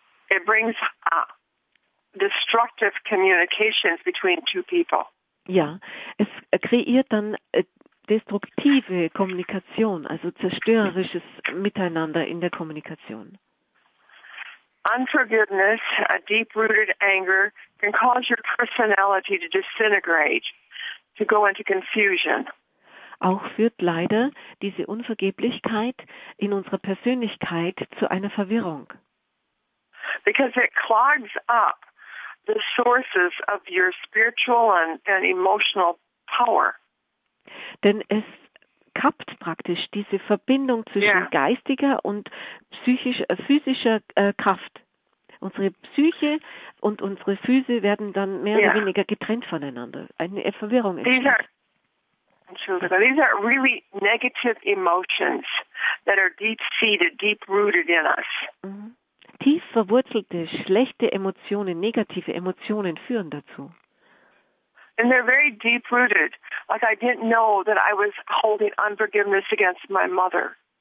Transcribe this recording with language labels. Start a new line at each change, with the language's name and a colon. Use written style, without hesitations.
English: It brings destructive communications between two people.
German: Ja, es kreiert dann destruktive Kommunikation, also zerstörerisches Miteinander in der Kommunikation.
English: Unforgiveness, a deep-rooted anger, can cause your personality to disintegrate. to go into confusion.
German: Auch führt leider diese Unvergeblichkeit in unserer Persönlichkeit zu einer Verwirrung.
English: Because it clogs up the sources of your spiritual and emotional power.
German: Denn es kappt praktisch diese Verbindung zwischen geistiger und physischer Kraft. Unsere Psyche und unsere Physis werden dann mehr oder weniger getrennt voneinander. Eine Verwirrung ist das.
English: These are really negative emotions that are deep-seated, deep-rooted in us.
German: Tief verwurzelte, schlechte Emotionen, negative Emotionen führen dazu.
English: And they're very deep-rooted. Like I didn't know that I was holding unforgiveness against my mother.